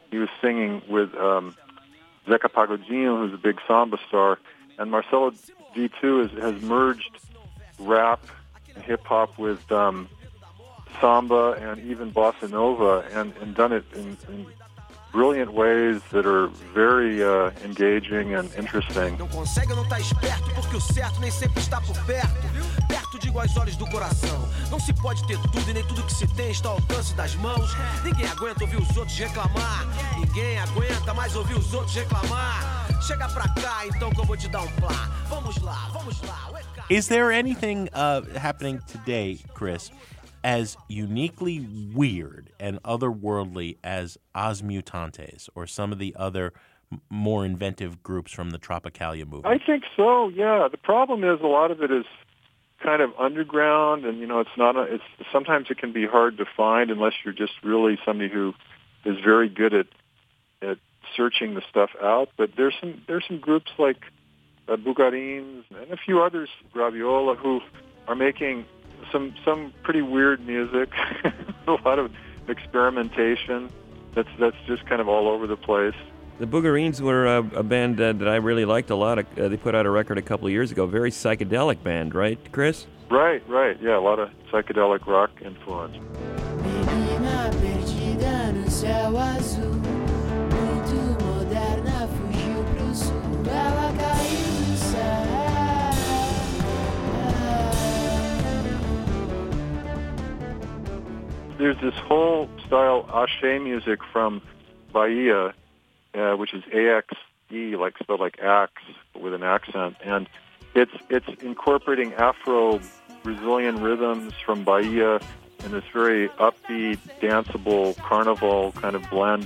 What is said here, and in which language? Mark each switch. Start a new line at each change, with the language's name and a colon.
English: He was singing with Zeca Pagodinho, who's a big samba star. And Marcelo D2 has merged rap and hip-hop with samba and even bossa nova, and done it in brilliant ways that are very engaging and interesting.
Portuguese: Não consegue não estar esperto, porque o certo nem sempre está por perto, perto de iguais olhos do coração. Não se pode ter tudo e nem tudo que se tem está ao alcance das mãos. Ninguém aguenta ouvir os outros reclamar, ninguém aguenta mais ouvir os outros reclamar. Chega pra cá então que eu vou te dar plá. Vamos lá, vamos lá.
English: Is there anything happening today, Chris, as uniquely weird and otherworldly as As Mutantes or some of the other more inventive groups from the Tropicália movement? I think so, yeah. The problem is a lot of it is kind of underground, and, you know, sometimes it can be hard to find unless you're just really somebody who is very good at searching the stuff out. But there's some groups like Bugarins and a few others, Graviola, who are making some pretty weird music. A lot of experimentation that's just kind of all over the place. The Boogerines were a band that I really liked a lot. They put out a record a couple of years ago, very psychedelic band, right, Chris? Right, yeah, a lot of psychedelic rock influence.
Portuguese: Menina perdida no céu azul, muito moderna, fugiu pro sul, ela caiu no céu.
English: There's this whole style, Axé music from Bahia, which is A-X-E, like spelled like axe, but with an accent. And it's incorporating Afro-Brazilian rhythms from Bahia in this very upbeat, danceable, carnival kind of blend.